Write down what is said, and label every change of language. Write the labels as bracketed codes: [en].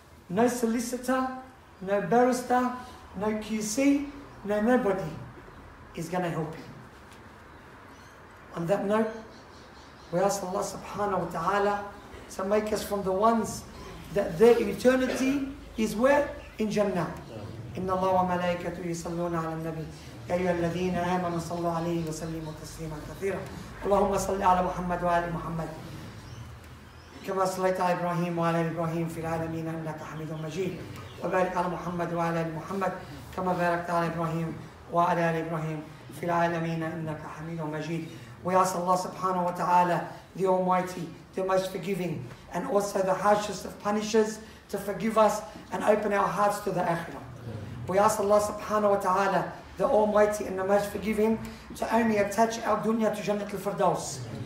[en] No solicitor, no barrister, no QC, no nobody is going to help you. On that note, we ask Allah subhanahu wa ta'ala to make us from the ones that their eternity is where? [ar] In Jannah. Inna Allah wa malaikatu yusalluna ala nabi. يا أيها الذين آمنوا صلوا عليه وسلموا تسليما كثيرا اللهم صل على محمد وآل محمد. كما صليت على إبراهيم وعلى إبراهيم في العالمين إنك حميد مجيد وبارك على محمد وعلى محمد كما باركت على إبراهيم وعلى إبراهيم في العالمين إنك حميد مجيد. [en] We ask Allah subhanahu wa ta'ala, the Almighty, the most forgiving, and also the harshest of punishers, to forgive us and open our hearts to the Akhirah. We ask Allah subhanahu wa ta'ala, the Almighty and the most forgiving, to only attach our dunya to Jannat al-Firdaus.